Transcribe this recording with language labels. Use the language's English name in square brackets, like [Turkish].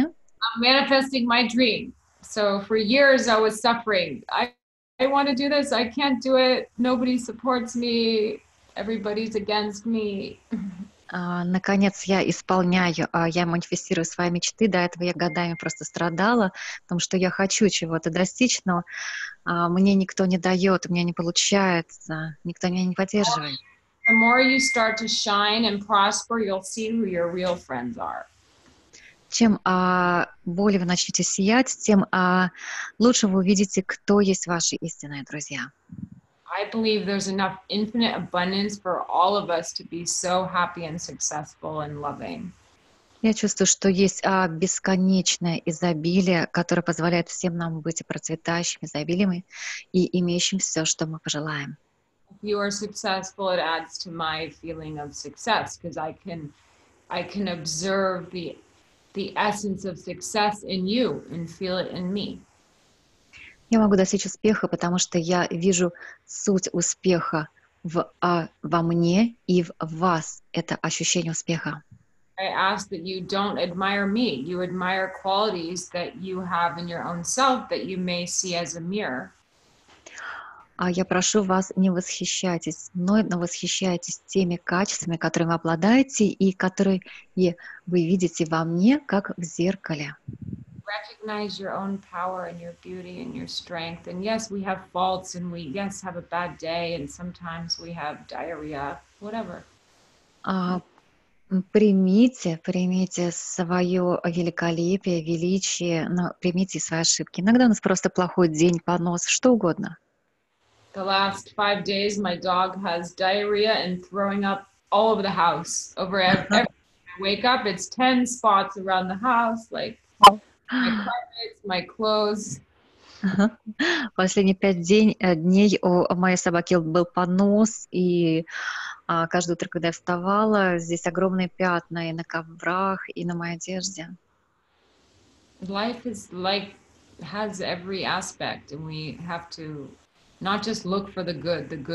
[English] I'm manifesting my dream. So for years I was suffering. I want to do this. I can't do it. Nobody supports me. Everybody's against me. [Russian] Наконец я исполняю, я манифестирую свои мечты. До этого я годами просто страдала, потому что я хочу чего-то достичь, но мне никто не дает, у меня не получается, никто меня не поддерживает. [English] The more you start to shine and prosper, you'll see who your real friends are. [Russian] Чем более вы начнете сиять, тем лучше вы увидите, кто есть ваши истинные друзья. [English] I believe there's enough infinite abundance for all of us to be so happy and successful and loving. [Russian] Я чувствую, что есть бесконечное изобилие, которое позволяет всем нам быть процветающими, изобилиями и имеющим все, что мы пожелаем. [English] If you are successful, it adds to my feeling of success because I can observe the essence of success in you and feel it in me. [Russian] Я могу достичь успеха, потому что я вижу суть успеха во мне и в вас. Это ощущение успеха. [English] I ask that you don't admire me. You admire qualities that you have in your own self that you may see as a mirror. [Russian] Я прошу вас не восхищайтесь мной, но восхищайтесь теми качествами, которыми вы обладаете и которые вы видите во мне, как в зеркале. [English] Recognize your own power and your beauty and your strength. And yes, we have faults and we, yes, have a bad day and sometimes we have diarrhea, whatever. [Russian] Примите свое великолепие, величие, но примите свои ошибки. Иногда у нас просто плохой день, понос, что угодно. [English] The last 5 days my dog has diarrhea and throwing up all over the house. Over everything. I wake up, it's 10 spots around the house, like... My clothes. [Russian] Последние 5 дней у моей собаки был понос, и каждое утро, когда я вставала, здесь огромные пятна и на коврах, и на моей одежде. [English] Life is like has every aspect, and we have to not just look for the good.